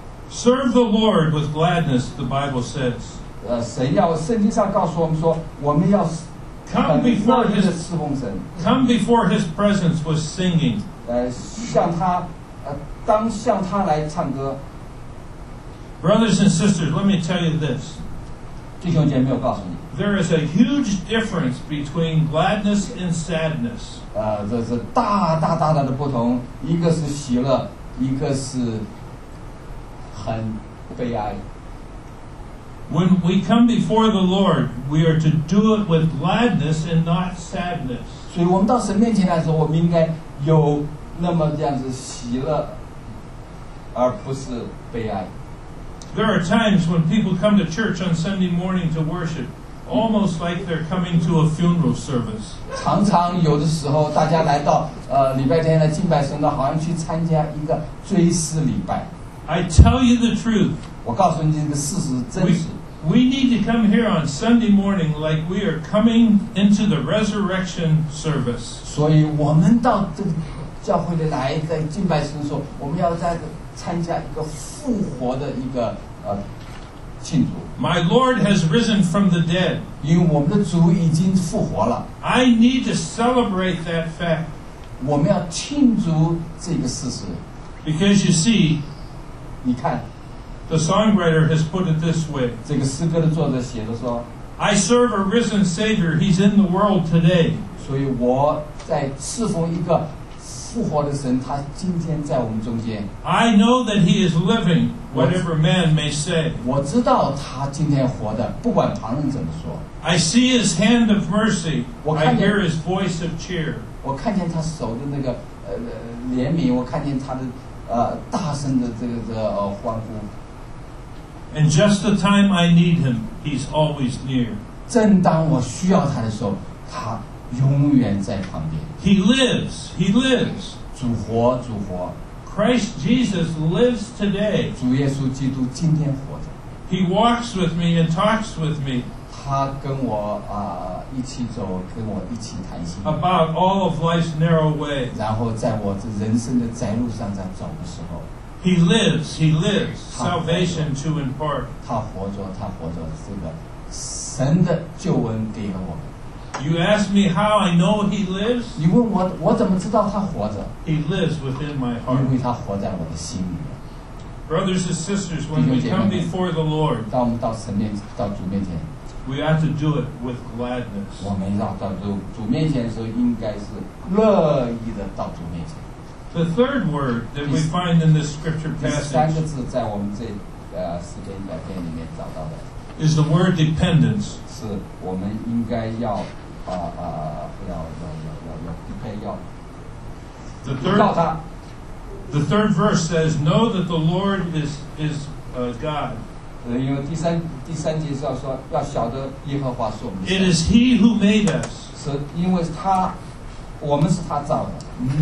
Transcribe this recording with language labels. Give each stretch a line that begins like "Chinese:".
English: Serve the Lord with gladness, the Bible says.
Chinese: 圣经上告诉我们说，我们要
English: Come before His presence with singing.
Chinese: 向他来唱歌。
English: Brothers and sisters, let me tell you this.
Chinese: 弟兄姐妹，我告诉你。
English: There is a huge difference between gladness and sadness.
Chinese: 这是大大大大的不同，一个是喜乐，一个是很悲哀。
English: When we come before the Lord, we are to do it with gladness and not sadness.
Chinese: 所以我们到神面前来的时候，我们应该有那么这样子喜乐，而不是悲哀。
English: There are times when people come to church on Sunday morning to worship. Almost like they're coming to a funeral service.
Chinese: 常常有的时候，大家来到礼拜天来敬拜神的，好像去参加一个追思礼拜。
English: I tell you the truth.
Chinese: 我告诉你这个事实真实。
English: We need to come here on Sunday morning like we are coming into the resurrection service.
Chinese: 所以我们到这个教会里来，在敬拜神的时候，我们要在参加一个复活的一个庆祝。
English: My Lord has risen from the dead.
Chinese: 因为我们的主已经复活了。
English: I need to celebrate that fact.
Chinese: 我们要庆祝这个事实。
English: Because you see,
Chinese: 你看
English: the songwriter has put it this way.
Chinese: 这个诗歌的作者写的说
English: I serve a risen Savior. He's in the world today.
Chinese: 所以我在侍奉一个复活的神，他今天在我们中间。
English: I know that he is living, whatever man may say.
Chinese: 我知道他今天活的，不管旁人怎么说。
English: I see his hand of mercy. I hear his voice of cheer.
Chinese: 我看见他手的那个怜悯，我看见他的大声的这个欢呼。
English: And just the time I need him, he's always near.
Chinese: 正当我需要他的时候，他。永远在旁边。
English: He lives, he lives.
Chinese: 主活，主活。
English: Christ Jesus lives today.
Chinese: 主耶稣基督今天活着。
English: He walks with me and talks with me.
Chinese: 他他跟我一起走，跟我一起谈心。
English: About all of life's narrow way.
Chinese: 然后在我这人生的窄路上在走的时候。
English: He lives, salvation to impart.
Chinese: 他活着，这个神的救恩给了我们。
English: You ask me how I know he lives?
Chinese: 你问我，我怎么知道他活着？
English: He lives within my heart.
Chinese: 因为他活在我的心里。
English: Brothers and sisters, when we come before the Lord,
Chinese: 当我们到神面，到主面前。
English: We have to do it with gladness.
Chinese: 我们要到主面前的时候，应该是乐意的到主面前。
English: The third word that we find in this scripture passage 第三个字在我们这诗篇百篇里面找到的 is the word dependence
Chinese: 是我们应该要要 depend 要到他
English: The third verse says know that the Lord is God
Chinese: 因为第三节是要说要晓得耶和华是我们的
English: It is he who made us
Chinese: 是因为他我们是他造的